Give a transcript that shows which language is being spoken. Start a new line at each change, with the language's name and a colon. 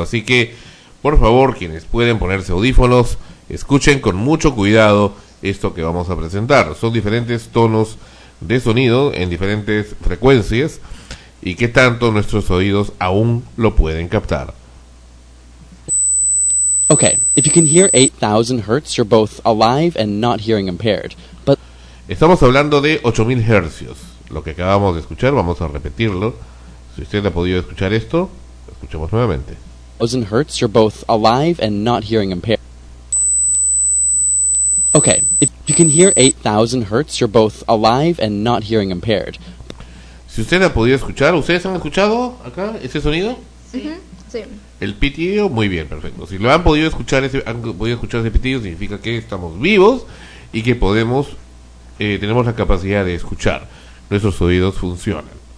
Spanish: Así que, por favor, quienes pueden ponerse audífonos, escuchen con mucho cuidado esto que vamos a presentar. Son diferentes tonos de sonido en diferentes frecuencias. ¿Y qué tanto nuestros oídos aún lo pueden captar?
English: Okay, if you can hear 8,000 hertz, you're both alive and not hearing impaired. But
Spanish: estamos hablando de 8,000 hertz. Lo que acabamos de escuchar, vamos a repetirlo. Si usted ha podido escuchar esto, escuchemos nuevamente.
English: 8,000 hertz, you're both alive and not hearing impaired. Okay, if you can hear 8,000 hertz, you're both alive and not hearing impaired.
Spanish: Si usted ha podido escuchar, ¿ustedes han escuchado acá ese sonido? Sí. ¿El pitido? Muy bien, perfecto. Si lo han podido escuchar, ese pitido, significa que estamos vivos y que podemos, tenemos la capacidad de escuchar. Nuestros oídos funcionan.